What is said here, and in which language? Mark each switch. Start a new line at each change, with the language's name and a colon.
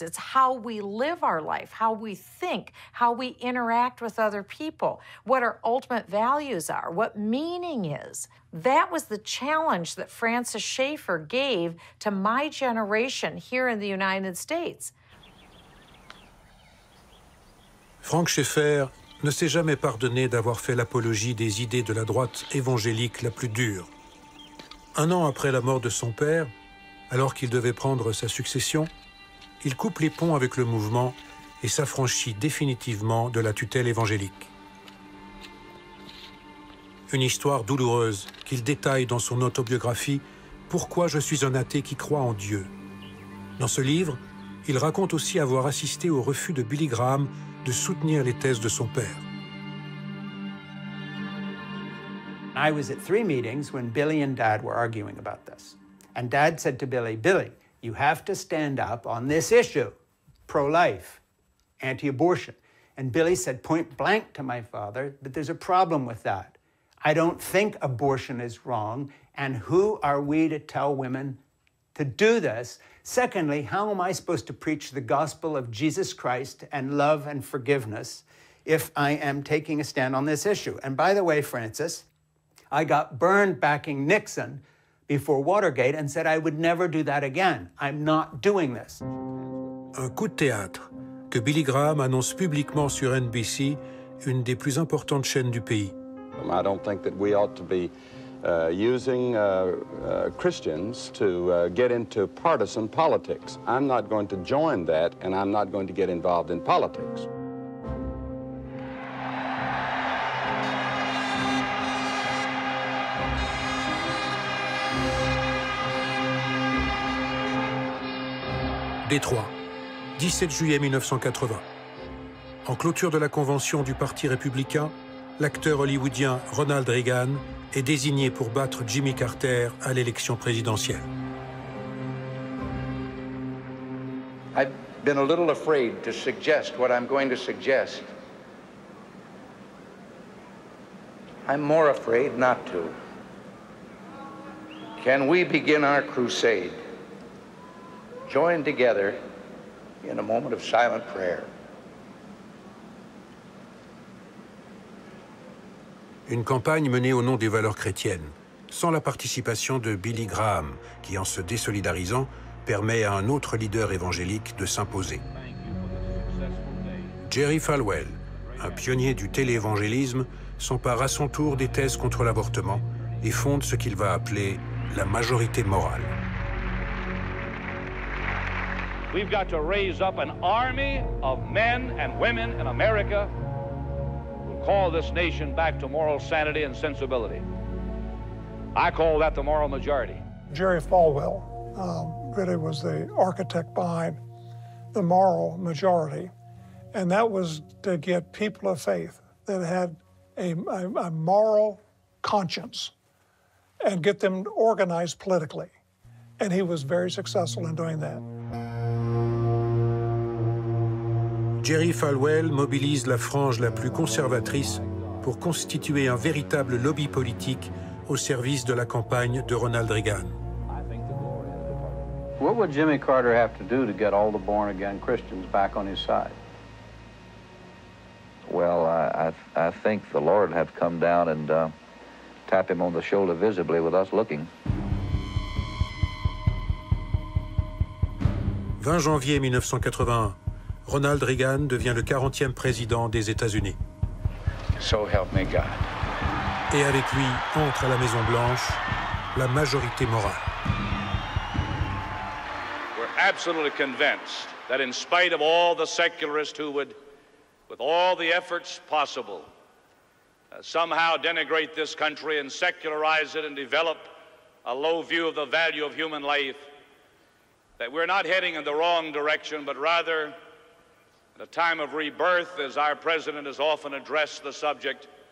English: It's how we live our life, how we think, how we interact with other people, what our ultimate values are, what meaning is. That was the challenge that Francis Schaeffer gave to my generation here in the United States.
French: Frank Schaeffer ne s'est jamais pardonné d'avoir fait l'apologie des idées de la droite évangélique la plus dure. Un an après la mort de son père, alors qu'il devait prendre sa succession, il coupe les ponts avec le mouvement et s'affranchit définitivement de la tutelle évangélique. Une histoire douloureuse qu'il détaille dans son autobiographie « Pourquoi je suis un athée qui croit en Dieu ». Dans ce livre, il raconte aussi avoir assisté au refus de Billy Graham de soutenir les thèses de son père.
English: I was at three meetings when Billy and Dad were arguing about this. And Dad said to Billy, Billy, you have to stand up on this issue, pro-life, anti-abortion. And Billy said point blank to my father that there's a problem with that. I don't think abortion is wrong, and who are we to tell women to do this? Secondly, how am I supposed to preach the gospel of Jesus Christ and love and forgiveness if I am taking a stand on this issue? And by the way, Francis, I got burned backing Nixon before Watergate and said I would never do that again. I'm not doing this.
French: Un coup de théâtre que Billy Graham annonce publiquement sur NBC, une des plus importantes chaînes du pays.
English: I don't think that we ought to be using Christians to get into partisan politics. I'm not going to join that, and I'm not going to get involved in politics.
French: Détroit, 17 juillet 1980. En clôture de la convention du Parti républicain, l'acteur hollywoodien Ronald Reagan est désigné pour battre Jimmy Carter à l'élection présidentielle.
English: I've been a little afraid to suggest what I'm going to suggest. I'm more afraid not to. Can we begin our crusade? Join together in a moment of silent prayer.
French: Une campagne menée au nom des valeurs chrétiennes, sans la participation de Billy Graham, qui, en se désolidarisant, permet à un autre leader évangélique de s'imposer. Jerry Falwell, un pionnier du télé-évangélisme, s'empare à son tour des thèses contre l'avortement et fonde ce qu'il va appeler la majorité morale.
English: We've got to raise up an army of men and women in America who call this nation back to moral sanity and sensibility. I call that the moral majority. Jerry Falwell really was the architect behind the moral majority. And that was to get people of faith that had a moral conscience and get them organized politically. And he was very successful in doing that.
French: Jerry Falwell mobilise la frange la plus conservatrice pour constituer un véritable lobby politique au service de la campagne de Ronald Reagan.
English: What would Jimmy Carter have to do to get all the born again Christians back on his side? Well, I think the Lord have come down and tap him on the shoulder visibly with us looking.
French: 20 janvier 1981. Ronald Reagan devient le 40e président des États-Unis.
English: So help me God.
French: Et avec lui, entre à la Maison-Blanche, la majorité morale.
English: We're absolutely convinced that in spite of all the secularists who would, with all the efforts possible, somehow denigrate this country and secularize it and develop a low view of the value of human life, that we're not heading in the wrong direction, but rather a time of rebirth, as our president has often addressed the subject.